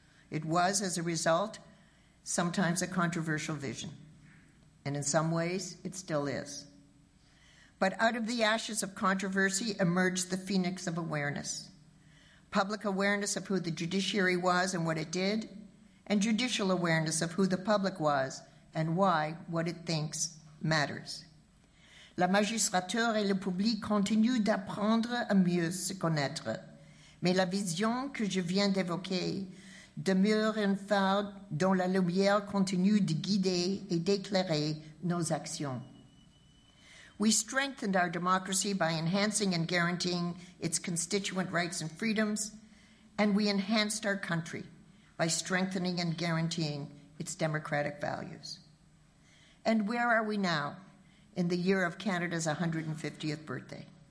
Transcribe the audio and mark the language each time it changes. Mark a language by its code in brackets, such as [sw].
[en] It was, as a result, sometimes a controversial vision, and in some ways, it still is. But out of the ashes of controversy emerged the phoenix of awareness, public awareness of who the judiciary was and what it did, and judicial awareness of who the public was and why what it thinks matters. [fr] La magistrature et le public continuent d'apprendre à mieux se connaître, mais la vision que je viens d'évoquer demeure un phare dont la lumière continue de guider et d'éclairer nos actions. [en] We strengthened our democracy by enhancing and guaranteeing its constituent rights and freedoms, and we enhanced our country by strengthening and guaranteeing its democratic values. And where are we now in the year of Canada's 150th birthday?